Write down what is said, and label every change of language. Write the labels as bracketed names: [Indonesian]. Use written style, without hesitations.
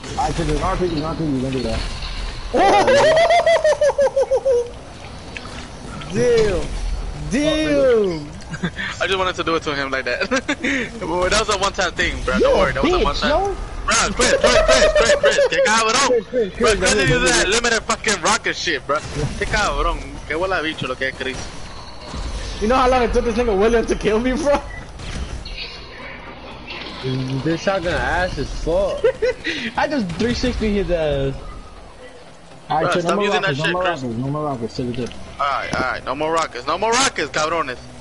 [English] I took the RPG, not to you. Don't do that. Damn. Damn. I just wanted to do it to him like that. Boy, that was a one-time thing, bro. Don't worry, that was bitch, a one-time. No? [Spanish] Bro, Chris, que cabrón. [English] Chris, bro, Chris is that limited fucking rocket shit, bro. [Spanish] Que cabrón, que huele a bicho lo que es Chris. [English] You know how long it took this nigga William to kill me, bro? This shotgun ass is fucked. I just 360 his ass. Alright, so stop using rockets, that shit, Chris. No more rockets, take it. Alright, no more rockets, no more rockets, cabrones.